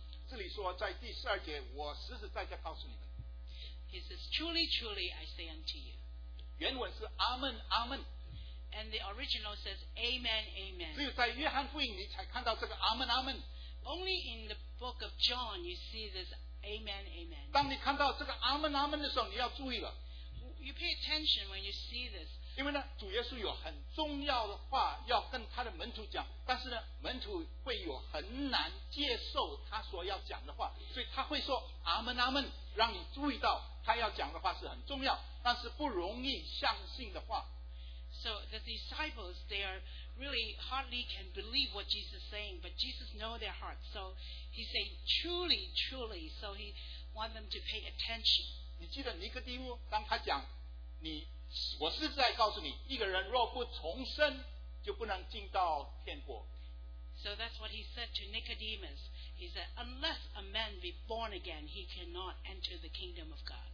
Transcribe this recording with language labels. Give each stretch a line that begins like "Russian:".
Chinese: 这里说在第十二节，我实实在在告诉你们。
English: He says, truly, truly, I say unto you.
Chinese: 原文是阿们，阿们。
English: And the original says, amen, amen.
Chinese: 只有在约翰福音你才看到这个阿们，阿们。
English: Only in the book of John you see this amen, amen.
Chinese: 当你看到这个阿们，阿们的时候，你要注意了。
English: You pay attention when you see this.
Chinese: 因为呢，主耶稣有很重要的话要跟他的门徒讲，但是呢，门徒会有很难接受他所要讲的话，所以他会说阿们阿们，让你注意到他要讲的话是很重要但是不容易相信的话。
English: So the disciples, they are really hardly can believe what Jesus is saying, but Jesus know their heart, so he say truly truly, so he want them to pay attention.
Chinese: 你记得尼哥底母当他讲你，我是在告诉你，一个人若不重生就不能进到天国。
English: So that's what he said to Nicodemus. He said, unless a man be born again, he cannot enter the kingdom of God.